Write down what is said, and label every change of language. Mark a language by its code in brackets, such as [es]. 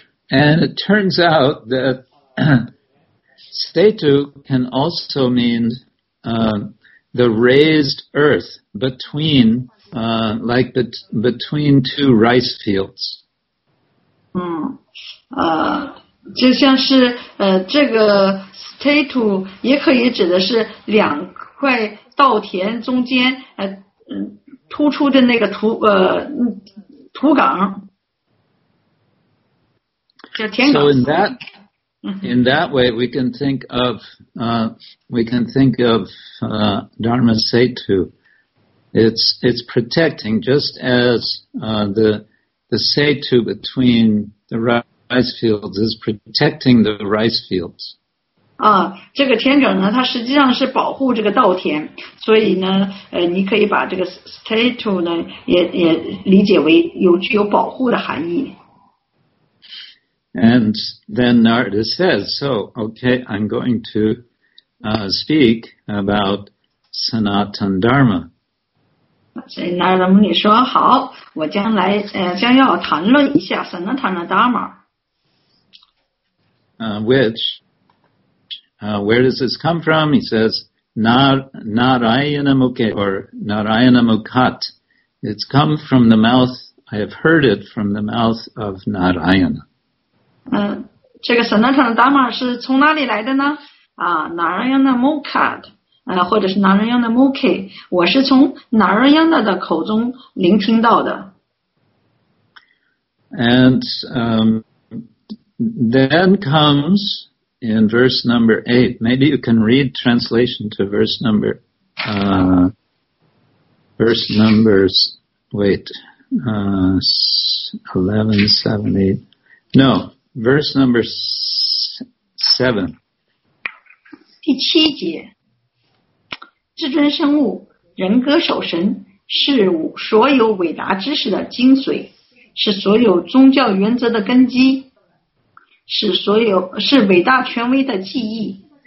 [en] And it turns out that setu can also mean the raised earth between, between two rice fields. [zh] 就像是这个 setu 也可以指的是两块稻田中间突出的那个土岗，叫田岗。 [en] So in that. In that way, we can think of Dharma Setu. It's protecting, just as the Setu between the rice fields is protecting the rice fields. [zh] 这个田埂呢，它实际上是保护这个稻田，所以呢，你可以把这个 Setu 呢，也理解为有具有保护的含义。 [en] And then Narada says, so, okay, I'm going to speak about Sanatana Dharma. [zh] So Narada Muni 说好，我将来将要谈论一下 Sanatana Dharma. [en] Where does this come from? He says, Narayana Mukhe or Narayana Mukhat. It's come from the mouth, I have heard it from the mouth of Narayana. [zh] 这个 Sanatana Dharma 是从哪里来的呢？Narayana Mukhat 或者是 Narayana Mukhe， 我是从 Narayana 的口中聆听到的。 [en] And then comes in verse number 8. Maybe you can read translation to verse number 7. [zh] 第七节，至尊生物人格守神是所有伟达知识的精髓，是所有宗教原则的根基，是伟大权威的记忆。